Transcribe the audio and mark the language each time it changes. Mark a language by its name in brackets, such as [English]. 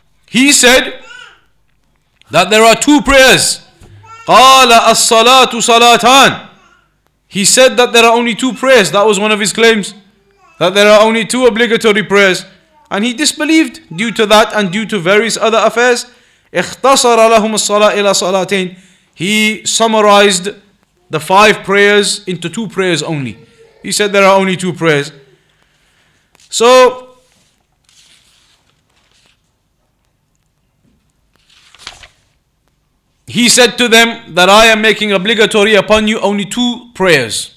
[English] He said that there are two prayers. [Arabic] Qala as-salatu salatan. [English] He said that there are only two prayers. That was one of his claims. That there are only two obligatory prayers. And he disbelieved due to that and due to various other affairs. [Arabic] اختصر لهم الصلاة إلى صلاتين. [English] He summarized the five prayers into two prayers only. He said there are only two prayers. So, he said to them that I am making obligatory upon you only two prayers.